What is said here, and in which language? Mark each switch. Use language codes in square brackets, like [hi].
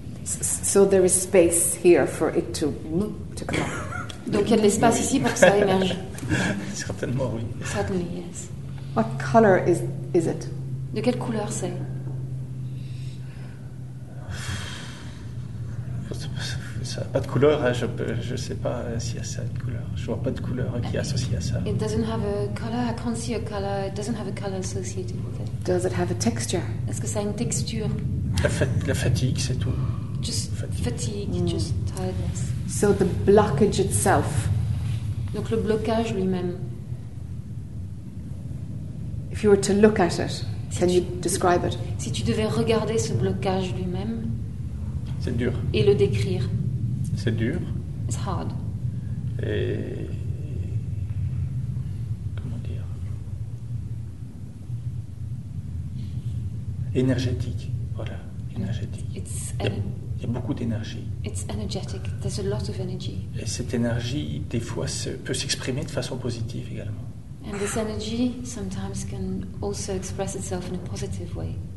[en] So there is space here for it to come. [fr] Donc il y a de l'espace ici pour que ça émerge. Certainement, oui. [en] Certainly, yes. What color is it? [fr] De quelle couleur c'est? Ça n'a pas de couleur, hein, je ne sais pas s'il y a ça de couleur. Je ne vois pas de couleur qui est associée à ça. [en] It doesn't have a color, I can't see a color. It doesn't have a color associated with it. Does it have a texture? [fr] Est-ce que ça a une texture? La fatigue, c'est tout. [en] Just fatigue. Just tiredness. So the blockage itself [fr] Donc le blocage lui-même. [en] If you were to look at it, can you describe it? [fr] Si tu devais regarder ce blocage lui-même. C'est dur. Et le décrire. C'est dur. [en] It's hard. [fr] Et comment dire? Énergétique, voilà, énergétique. Il y a beaucoup d'énergie. [en] It's energetic. There's a lot of energy. [fr] Et cette énergie, des fois, peut s'exprimer de façon positive également. [en] And this energy sometimes can also express itself in a positive way.